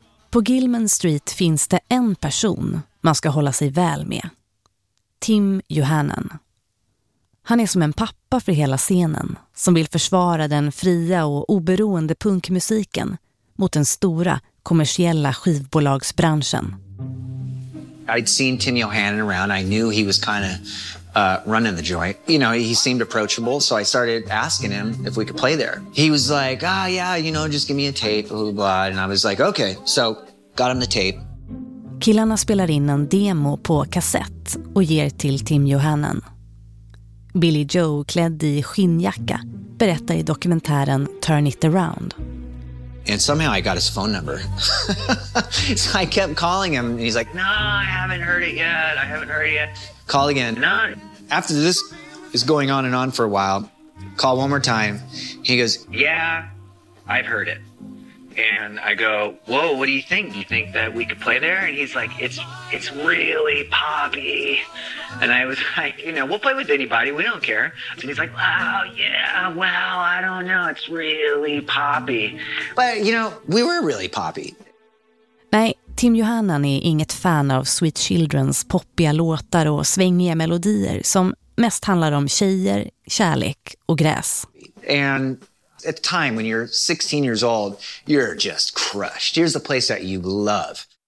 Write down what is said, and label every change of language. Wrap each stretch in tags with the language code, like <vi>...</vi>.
<sv>På Gilman Street finns det en person man ska hålla sig väl med. Tim Johannan. Han är som en pappa för hela scenen som vill försvara den fria och oberoende punkmusiken mot den stora kommersiella skivbolagsbranschen.</sv> <en>I'd seen Tim Johannan around. I knew he was kind of running the joint. You know, he seemed approachable, so I started asking him if we could play there. He was like, ah, oh, yeah, you know, just give me a tape, blah, blah, blah. And I was like, okay, so got him the tape.</en> <sv>Killarna spelar in en demo på kassett och ger till Tim Johannen. Billy Joe, klädd i skinnjacka, berättar i dokumentären Turn It Around.</sv> <en>And somehow I got his phone number. So I kept calling him and he's like, no, I haven't heard it yet. Call again. No. After this is going on and on for a while, call one more time. He goes, yeah, I've heard it. And I go, whoa, what do you think? You think that we could play there? And he's like, it's really poppy. And I was like, you know, we'll play with anybody. We don't care. And he's like, wow, yeah, well, I don't know. It's really poppy. But, you know, we were really poppy.</en> <sv>Nej, Tim Johannan är inget fan av Sweet Childrens poppiga låtar och svängiga melodier som mest handlar om tjejer, kärlek och gräs.</sv> <en>And at the time when you're 16 years old, you're just crushed. Here's the place that you love.</en>